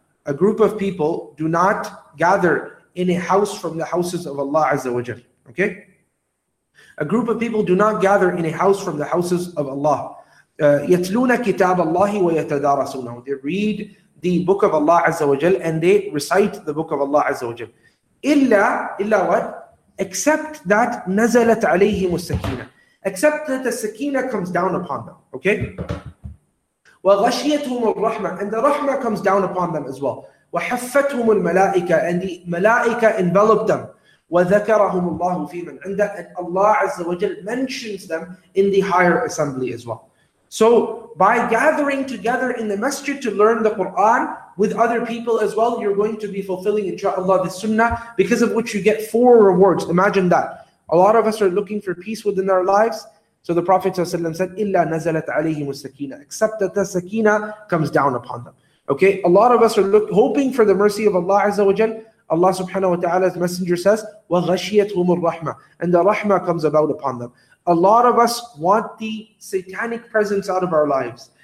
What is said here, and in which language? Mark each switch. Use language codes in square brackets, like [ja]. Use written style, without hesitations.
[en] A group of people do not gather in a house from the houses of Allah Azza wa Jal. Okay? A group of people do not gather in a house from the houses of Allah. [ar] يَتْلُونَ كِتَابَ اللَّهِ وَيَتَدَارَسُونَهُ. [en] They read the book of Allah Azza wa Jal and they recite the book of Allah Azza wa Jal. [ar] إِلَّا [en] what? Except that [ar] نَزَلَتْ عَلَيْهِمُ السَّكِينَةِ. [en] Except that the sakina comes down upon them. Okay? [ar] وَغَشِيَتْهُمُ الرَّحْمَةِ. [en] And the rahmah comes down upon them as well. [ar] وَحَفَّتْهُمُ الْمَلَائِكَةِ. [en] And the malaika enveloped them. [ar] وَذَكَرَهُمُ اللَّهُ فِي مَنْ عِنْدَ. [en] And Allah Azza wa Jal mentions them in the higher assembly as well. So by gathering together in the masjid to learn the Qur'an with other people as well, you're going to be fulfilling inshaAllah the sunnah, because of which you get four rewards. Imagine that. A lot of us are looking for peace within our lives. So the Prophet ﷺ said, [ar] إِلَّا نَزَلَتْ عَلَيْهِمُ السَّكِينَةِ. [en] Except that the sakina comes down upon them. Okay, a lot of us are hoping for the mercy of Allah Azza wa Jal. Allah subhanahu wa ta'ala's messenger says, [ar] وَغَشِيَتْهُمُ الرَّحْمَةِ. [en] And the rahmah comes about upon them. A lot of us want the satanic presence out of our lives.